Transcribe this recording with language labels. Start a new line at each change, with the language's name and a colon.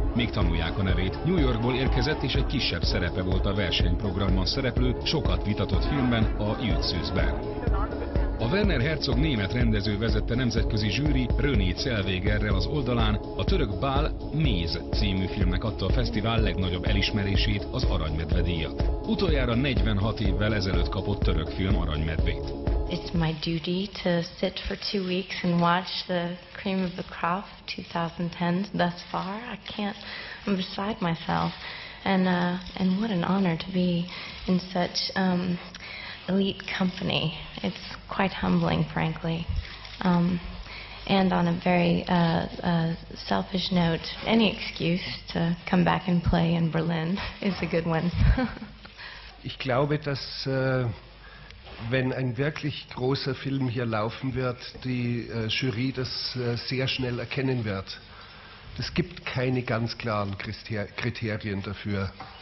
Hungarian: Még tanulják a nevét, New Yorkból érkezett és egy kisebb szerepe volt a versenyprogramban szereplő, sokat vitatott filmben, a Jützőzben. A Werner Herzog német rendező vezette nemzetközi zsűri René Zellwegerrel az oldalán a török Bál Méz című filmnek adta a fesztivál legnagyobb elismerését, az Aranymedve díjat. Utoljára 46 évvel ezelőtt kapott török film Aranymedvét.
English: It's my duty to sit for 2 weeks and watch the Cream of the Crop 2010 thus far. I can't, I'm beside myself. And what an honor to be in such elite company. It's quite humbling, frankly. And on a very selfish note, any excuse to come back and play in Berlin is a good one.
German: Ich glaube, dass wenn ein wirklich großer Film hier laufen wird, die Jury das sehr schnell erkennen wird. Es gibt keine ganz klaren Kriterien dafür.